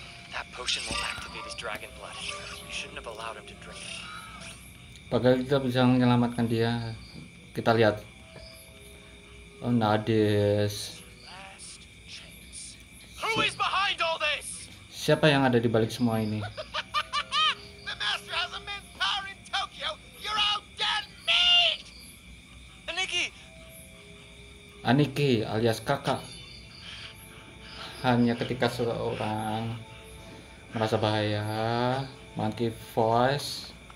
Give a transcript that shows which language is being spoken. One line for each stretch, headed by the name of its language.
English: That potion will activate his dragon blood. You shouldn't have allowed him to drink it.
Indonesian: Padahal kita bisa menyelamatkan dia. Kita lihat. Oh, Nadis.
English: Who is behind all this?
Indonesian: Siapa yang ada di balik semua ini?
English: The master has immense power in Tokyo. You're all dead meat. Aniki.
Indonesian: Aniki alias kakak. Hanya ketika seseorang merasa bahaya, Monkey Voice.